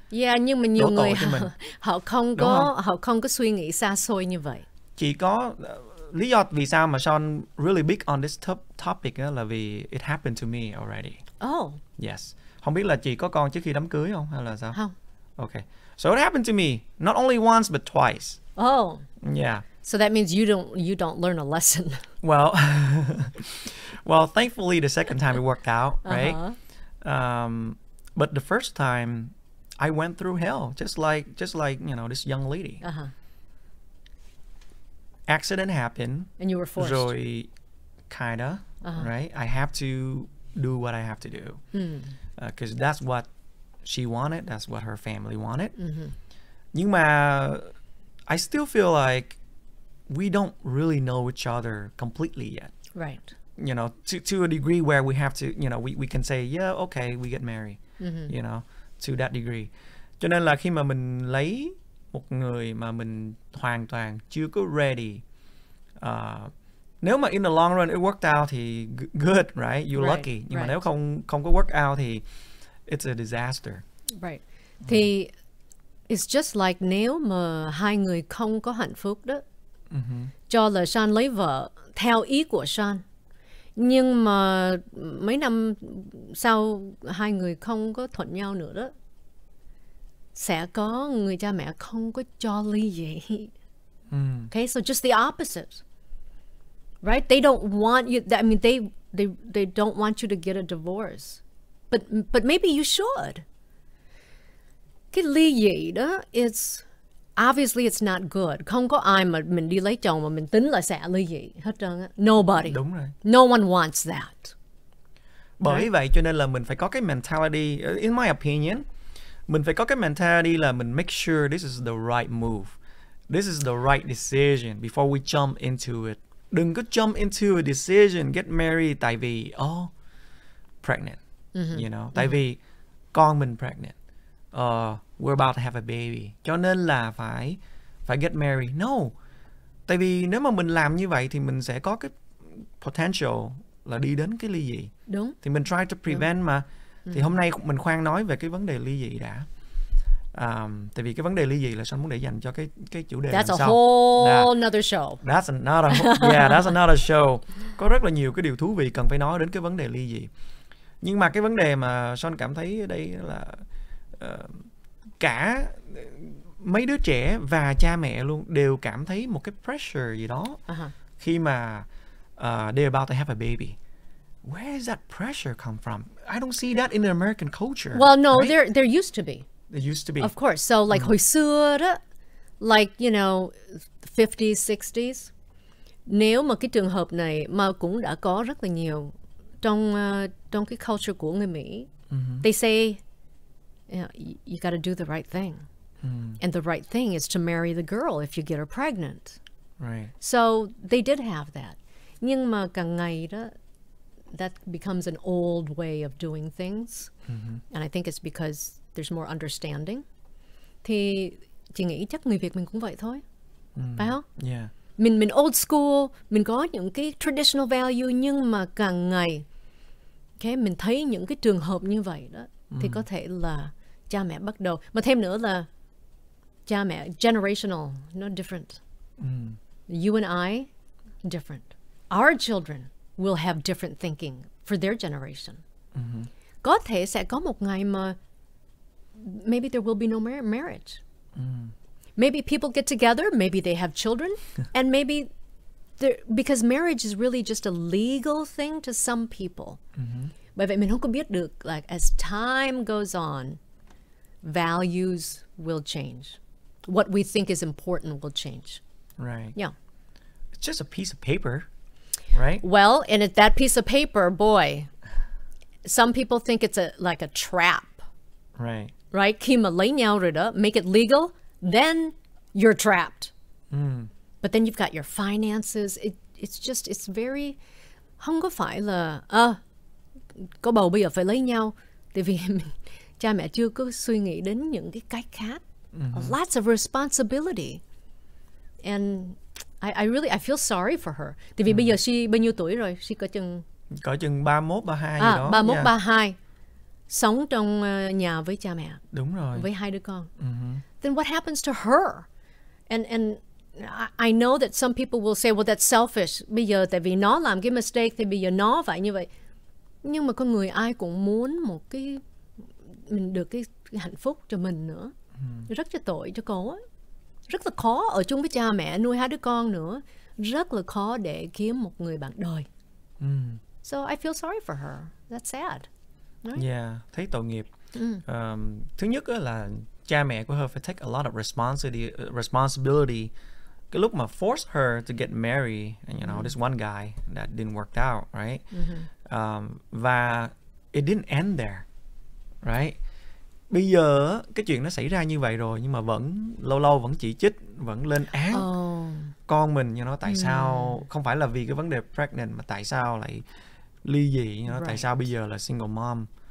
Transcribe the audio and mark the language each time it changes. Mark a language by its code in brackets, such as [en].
[vi] Yeah, nhưng mà nhiều người họ không có suy nghĩ xa xôi như vậy. Chỉ có lý do vì sao mà [en] Sean really big on this topic [vi] là vì [en] it happened to me already. Oh. Yes. [vi] Không biết là chị có con trước khi đám cưới không hay là sao? Không. [en] Okay. So it happened to me not only once but twice. Oh. Yeah. So that means you don't learn a lesson. Well, well, thankfully the second time it worked out, right? Uh-huh. But the first time I went through hell just like, you know, this young lady. Uh-huh. Accident happened and you were forced. [vi] Rồi [en] kinda, uh-huh. Right? I have to do what I have to do. Cuz that's what she wanted, that's what her family wanted. Mm-hmm. [vi] Nhưng mà [en] I still feel like we don't really know each other completely yet. Right. You know, to a degree where we have to, you know, we can say, yeah, okay, we get married, mm-hmm. you know, to that degree. [vi] Cho nên là khi mà mình lấy một người mà mình hoàn toàn chưa có ready, nếu mà [en] in the long run it worked out [vi] thì good, right? [en] You're right. Lucky. [vi] Nhưng [en] right. [vi] mà nếu không có [en] work out [vi] thì [en] it's a disaster. Right. [vi] Thì [en] it's just like [vi] nếu mà hai người không có hạnh phúc đó, mm-hmm. cho là Sean lấy vợ theo ý của Sean, nhưng mà mấy năm sau hai người không có thuận nhau nữa đó, sẽ có người cha mẹ không có cho ly gì. [en] Okay, so just the opposite, right? They don't want you. I mean, they don't want you to get a divorce, but maybe you should. [vi] Cái ly dị đó, [en] it's obviously it's not good. [vi] Không có ai mà mình đi lấy chồng mà mình tính là sẽ ly dị hết trơn á. [en] Nobody. [vi] Đúng rồi. [en] No one wants that. [vi] Bởi [en] right? [vi] vậy cho nên là mình phải có cái mentality, in my opinion, mình phải có cái mentality là mình [en] make sure this is the right move. This is the right decision before we jump into it. [vi] Đừng có [en] jump into a decision, get married [vi] tại vì [en] oh, pregnant. Mm-hmm. You know, [vi] tại [en] mm-hmm. [vi] vì con mình [en] pregnant. We're about to have a baby. [vi] Cho nên là phải [en] get married. No. [vi] Tại vì nếu mà mình làm như vậy thì mình sẽ có cái potential là đi đến cái ly dị. Đúng. Thì mình try to prevent đúng. Mà. Thì hôm nay mình khoan nói về cái vấn đề ly dị đã. Tại vì cái vấn đề ly dị là sao muốn để dành cho cái chủ đề [en] that's [vi] làm sao. [en] That's a whole another show. That's another yeah, that's another show. [vi] Có rất là nhiều cái điều thú vị cần phải nói đến cái vấn đề ly dị. Nhưng mà cái vấn đề mà Sean cảm thấy ở đây là cả mấy đứa trẻ và cha mẹ luôn đều cảm thấy một cái pressure gì đó uh-huh. [en] khi mà they're about to have a baby. Where is that pressure come from? I don't see that in the American culture. Well, no, right? there used to be. There used to be. Of course. So like [vi] hồi xưa đó, [en] like, you know, 50s, 60s, [vi] nếu mà cái trường hợp này mà cũng đã có rất là nhiều trong trong cái culture của người Mỹ, uh-huh. [en] they say, yeah, you got to do the right thing. And the right thing is to marry the girl if you get her pregnant. Right. So they did have that. [vi] Nhưng mà càng ngày đó, [en] that becomes an old way of doing things. Mm-hmm. And I think it's because there's more understanding. [vi] Thì chị nghĩ chắc người Việt mình cũng vậy thôi. Phải không? [en] Yeah. [vi] Mình old school, mình có những cái [en] traditional value, [vi] nhưng mà càng ngày okay, mình thấy những cái trường hợp như vậy đó. Thì có thể là cha mẹ bắt đầu. Mà thêm nữa là cha mẹ [en] generational, no different. You and I, different. Our children will have different thinking for their generation. [vi] Có thể sẽ có một ngày mà [en] maybe there will be no marriage. Maybe people get together, maybe they have children. And maybe, because marriage is really just a legal thing to some people. Mm-hmm. [vi] Bởi vậy mình không có biết được, [en] like, as time goes on, values will change. What we think is important will change. Right. Yeah. It's just a piece of paper, right? Well, and it, that piece of paper, boy, some people think it's a like a trap. Right. Right? [vi] Kima lấy nhau rồi đó, [en] make it legal, then you're trapped. Mm. But then you've got your finances. It's very, [vi] không có phải là, có bầu bây giờ phải lấy nhau. Tại vì cha mẹ chưa có suy nghĩ đến những cái cách khác. Mm-hmm. [en] Lots of responsibility. And I feel sorry for her. [vi] Tại vì bây giờ she bao nhiêu tuổi rồi? She có chừng... Có chừng 31, 32 gì đó. 31, 32. Sống trong nhà với cha mẹ. Đúng rồi. Với hai đứa con. Mm-hmm. [en] Then what happens to her? And I know that some people will say, well, that's selfish. [vi] Bây giờ tại vì nó làm cái mistake, thì bây giờ nó phải như vậy. Nhưng mà con người ai cũng muốn một cái... Mình được cái hạnh phúc cho mình nữa. Mm-hmm. Rất là tội cho con ấy. Rất là khó ở chung với cha mẹ, nuôi hai đứa con nữa. Rất là khó để kiếm một người bạn đời. Mm. [en] So I feel sorry for her. That's sad. Right? [vi] Yeah, thấy tội nghiệp. Mm. Thứ nhất là cha mẹ của her phải [en] take a lot of responsibility. [vi] Cái lúc mà [en] force her to get married, you know, this one guy that didn't work out, right? Mm-hmm. [vi] Và [en] it didn't end there, right? [vi] Bây giờ cái chuyện nó xảy ra như vậy rồi nhưng mà vẫn lâu lâu vẫn chỉ trích, vẫn lên án con mình, như nó tại sao không phải là vì cái vấn đề pregnant mà tại sao lại ly dị, như nó tại sao bây giờ là single mom.